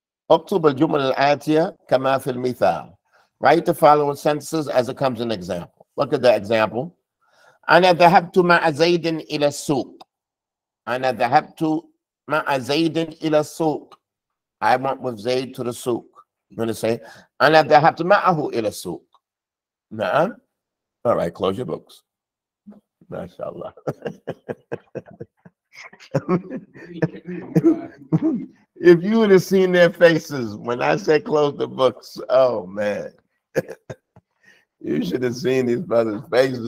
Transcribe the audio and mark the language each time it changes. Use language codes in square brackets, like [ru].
[ar] اكتب الجمل الآتية كما في المثال. [en] Write the following sentences as it comes in example. Look at the example. [ar] أنا ذهبت مع زيد إلى السوق. أنا ذهبت مع زيد إلى السوق. [en] I went with Zayd to the souk. I'm going to say [ar] أنا ذهبت معه إلى السوق. نعم. [en] All right, close your books. [ar] ما شاء الله. [en] If you would have seen their faces when I said close the books, oh man. You should have seen these brothers' faces.